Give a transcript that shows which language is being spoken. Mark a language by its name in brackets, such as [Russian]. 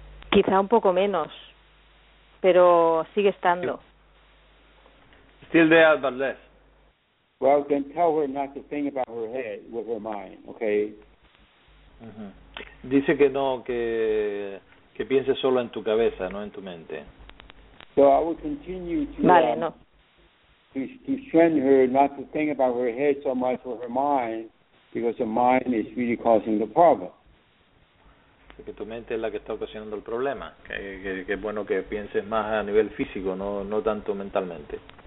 [Spanish] Quizá un poco menos, pero sigue estando. [English] Still there, but less. Well, then tell her not to think about her head with her mind, okay? Uh-huh. [Spanish] Dice que no, que piense solo en tu cabeza, no en tu mente. [English] So I will continue to... [Spanish] Vale, no. [English] To train her not to think about her head so much with her mind, because her mind is really causing the problem. [Spanish] Porque tu mente es la que está ocasionando el problema. Que es bueno que pienses más a nivel físico, no tanto mentalmente.